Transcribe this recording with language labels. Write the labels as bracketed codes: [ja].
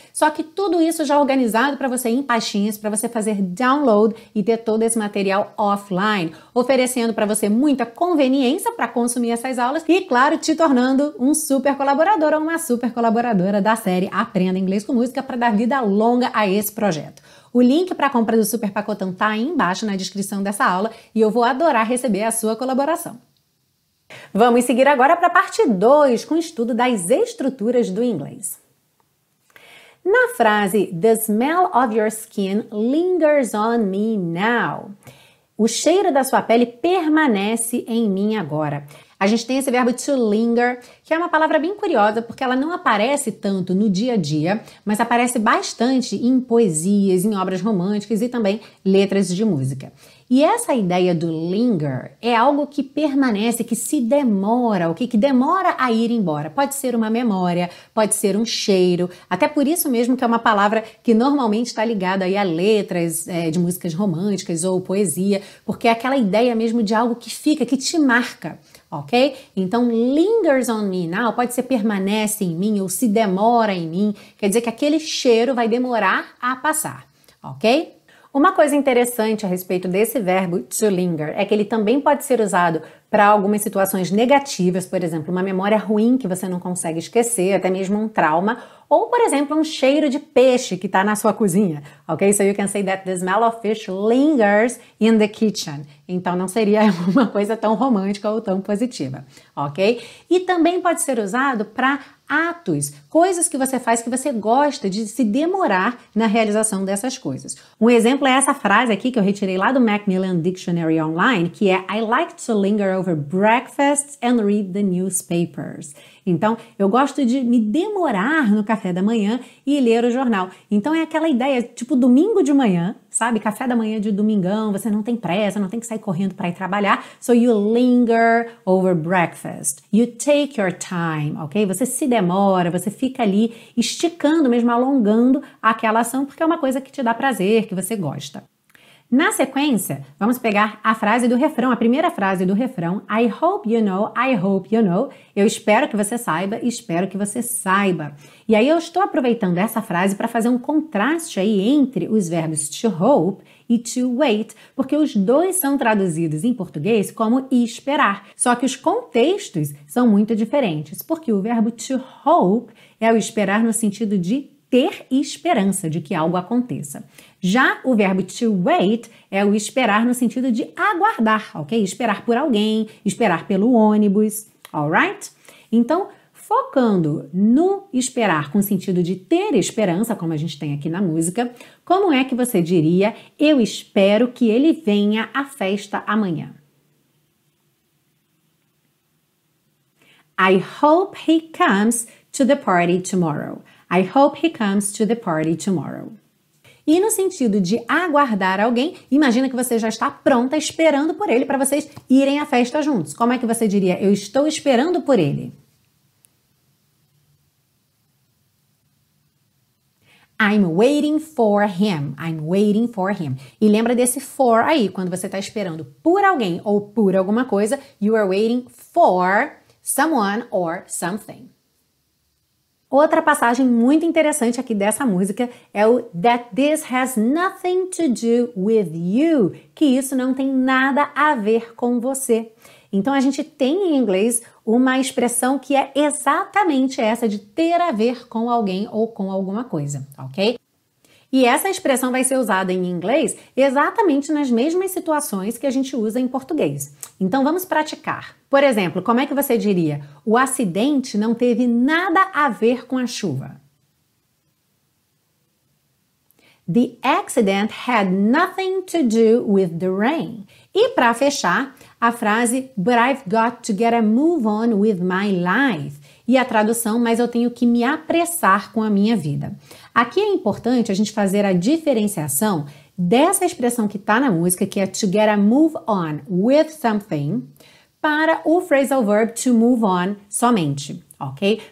[pt] só que tudo isso já organizado para você em pastinhas, para você fazer download e ter todo esse material offline, oferecendo para você muita conveniência para consumir essas aulas e, claro, te tornando um super colaborador ou uma super colaboradora da série Aprenda Inglês com Música para dar vida longa a esse projeto. O link para a compra do Super Pacotão está aí embaixo na descrição dessa aula e eu vou adorar receber a sua colaboração. Vamos seguir agora para a parte 2, com o estudo das estruturas do inglês. Na frase, [en] "The smell of your skin lingers on me now." [pt] O cheiro da sua pele permanece em mim agora. A gente tem esse verbo to linger, que é uma palavra bem curiosa, porque ela não aparece tanto no dia a dia, mas aparece bastante em poesias, em obras românticas e também letras de música. E essa ideia do linger é algo que permanece, que se demora, o que demora a ir embora. Pode ser uma memória, pode ser um cheiro, até por isso mesmo que é uma palavra que normalmente está ligada aí a letras de músicas românticas ou poesia, porque é aquela ideia mesmo de algo que fica, que te marca. Ok? Então, [en] lingers on me now, [pt] pode ser permanece em mim ou se demora em mim, quer dizer que aquele cheiro vai demorar a passar, ok? Uma coisa interessante a respeito desse verbo to linger é que ele também pode ser usado para algumas situações negativas, por exemplo, uma memória ruim que você não consegue esquecer, até mesmo um trauma, ou, por exemplo, um cheiro de peixe que está na sua cozinha, ok? [en] So you can say that the smell of fish lingers in the kitchen. [pt] Então, não seria uma coisa tão romântica ou tão positiva, ok? E também pode ser usado para atos, coisas que você faz que você gosta de se demorar na realização dessas coisas. Um exemplo é essa frase aqui que eu retirei lá do Macmillan Dictionary Online, que é [en] I like to linger over breakfast and read the newspapers. [pt] Então, eu gosto de me demorar no café da manhã e ler o jornal. Então, é aquela ideia, tipo domingo de manhã, sabe? Café da manhã de domingão, você não tem pressa, não tem que sair correndo para ir trabalhar. [en] So, you linger over breakfast. You take your time, ok? [pt] Você se demora, você fica ali esticando mesmo, alongando aquela ação, porque é uma coisa que te dá prazer, que você gosta. Na sequência, vamos pegar a frase do refrão, a primeira frase do refrão. [en] I hope you know, I hope you know. [pt] Eu espero que você saiba, espero que você saiba. E aí eu estou aproveitando essa frase para fazer um contraste aí entre os verbos to hope e to wait, porque os dois são traduzidos em português como esperar. Só que os contextos são muito diferentes, porque o verbo to hope é o esperar no sentido de ter esperança de que algo aconteça. Já o verbo to wait é o esperar no sentido de aguardar, ok? Esperar por alguém, esperar pelo ônibus, alright? Então, focando no esperar com sentido de ter esperança, como a gente tem aqui na música, como é que você diria eu espero que ele venha à festa amanhã? [en] I hope he comes to the party tomorrow. I hope he comes to the party tomorrow. [pt] E no sentido de aguardar alguém, imagina que você já está pronta esperando por ele para vocês irem à festa juntos. Como é que você diria eu estou esperando por ele? [en] I'm waiting for him. [pt] I'm waiting for him. E lembra desse for aí, quando você está esperando por alguém ou por alguma coisa, [en] you are waiting for someone or something. [pt] Outra passagem muito interessante aqui dessa música é o [en] that this has nothing to do with you, [pt] que isso não tem nada a ver com você. Então a gente tem em inglês uma expressão que é exatamente essa de ter a ver com alguém ou com alguma coisa, ok? E essa expressão vai ser usada em inglês exatamente nas mesmas situações que a gente usa em português. Então vamos praticar. Por exemplo, como é que você diria? O acidente não teve nada a ver com a chuva. [en] The accident had nothing to do with the rain. [pt] E para fechar, a frase [en] But I've got to get a move on with my life. [pt] E a tradução, mas eu tenho que me apressar com a minha vida. Aqui é importante a gente fazer a diferenciação dessa expressão que está na música, que é to get a move on with something, para o phrasal verb to move on somente, ok?